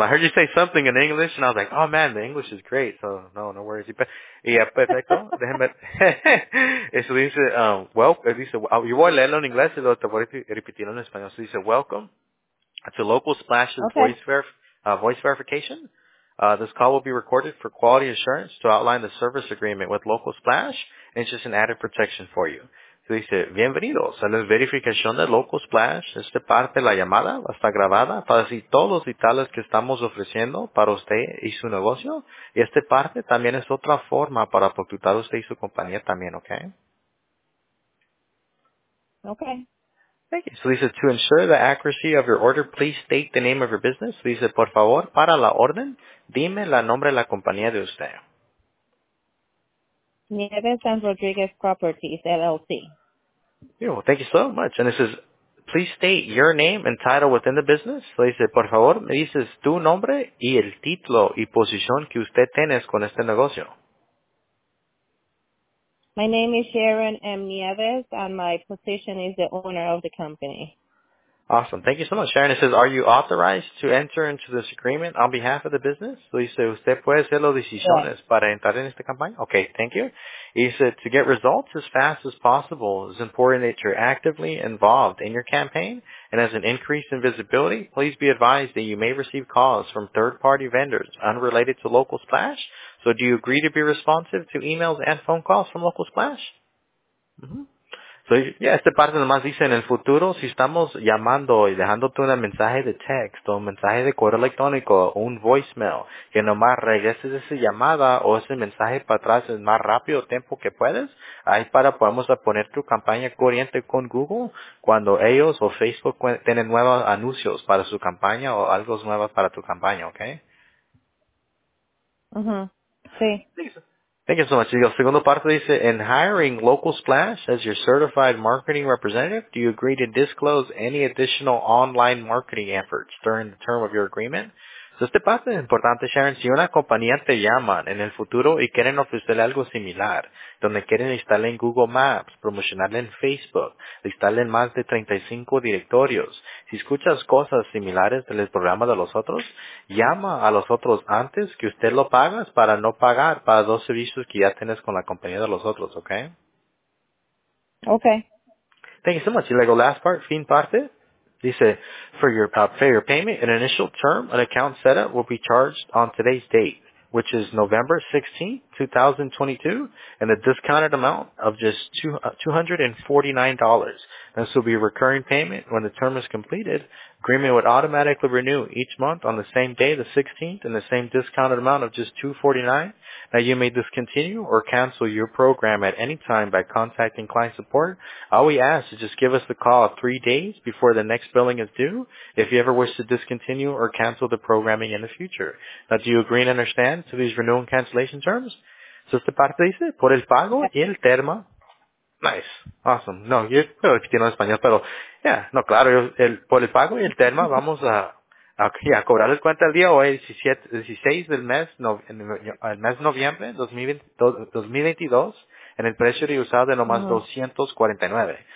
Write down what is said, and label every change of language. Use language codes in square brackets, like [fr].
[en] I heard you say something in English, and I was like, oh, man, the English is great. So no worries. Yeah, [es] perfecto. Déjeme. Eso dice, yo voy a leerlo en inglés y luego te voy a repetir en español. [en] So dice, welcome to Local Splash's voice verification. This call will be recorded for quality assurance to outline the service agreement with Local Splash. It's just an added protection for you. [es] Dice, bienvenidos a la verificación de Local Splash. Esta parte, la llamada, va a estar grabada para decir todos los detalles que estamos ofreciendo para usted y su negocio. Y esta parte también es otra forma para facturar usted y su compañía también, ¿ok? Ok. [en] Thank you. So dice, to ensure the accuracy of your order, please state the name of your business. [es] Dice, por favor, para la orden, dime el nombre de la compañía de usted. [en] Nieves and Rodriguez Properties, LLC. Thank you so much. And this is please state your name and title within the business. [es] Le dice, por favor, me dices tu nombre y el título y posición que usted tienes con este negocio. [en] My name is Sharon M. Nieves, and my position is the owner of the company. Awesome. Thank you so much. Sharon, it says, are you authorized to enter into this agreement on behalf of the business? So you say, [es] usted puede hacer las decisiones yes. para entrar en esta campaña? [en] Okay, thank you. He said, to get results as fast as possible, it's important that you're actively involved in your campaign, and as an increase in visibility, please be advised that you may receive calls from third-party vendors unrelated to Local Splash. So do you agree to be responsive to emails and phone calls from Local Splash? Mm-hmm. [es] So, yeah, esta parte nomás dice, en el futuro, si estamos llamando y dejándote un mensaje de texto, un mensaje de correo electrónico, un voicemail, que nomás regreses esa llamada o ese mensaje para atrás en más rápido tiempo que puedes, ahí para podemos poner tu campaña corriente con Google cuando ellos o Facebook tienen nuevos anuncios para su campaña o algo nuevo para tu campaña, ¿ok? Uh-huh. Sí. [en] Thank you so much. [es] La segunda parte dice, [en] in hiring Local Splash as your certified marketing representative, do you agree to disclose any additional online marketing efforts during the term of your agreement? [es] So esta parte es importante, Sharon. Si una compañía te llama en el futuro y quieren ofrecerle algo similar, donde quieren instalarle en Google Maps, promocionarle en Facebook, instalarle en más de 35 directorios, si escuchas cosas similares del programa de los otros, llama a los otros antes que usted lo pagas para no pagar para dos servicios que ya tienes con la compañía de los otros, ¿ok? Ok. [en] Thank you so much. [es] Y luego, [en] last part, [es] fin parte. [en] Dice, for your payment, an initial term, an account setup will be charged on today's date, which is November 16, 2022, and the discounted amount of just $249. This will be a recurring payment when the term is completed. Agreement would automatically renew each month on the same day, the 16th, and the same discounted amount of just $249. Now, you may discontinue or cancel your program at any time by contacting client support. All we ask is just give us the call 3 days before the next billing is due if you ever wish to discontinue or cancel the programming in the future. Now, do you agree and understand to these renewal and cancellation terms? [es] So, esta parte dice, por el pago y el termo. [en] Nice. Awesome. [es] No, yo creo que tiene español, pero... Yeah, no, claro, por el pago y el tema vamos a cobrar el cuenta el día hoy, 16 del mes, el mes de noviembre 2022, en el precio reusado de nomás $249.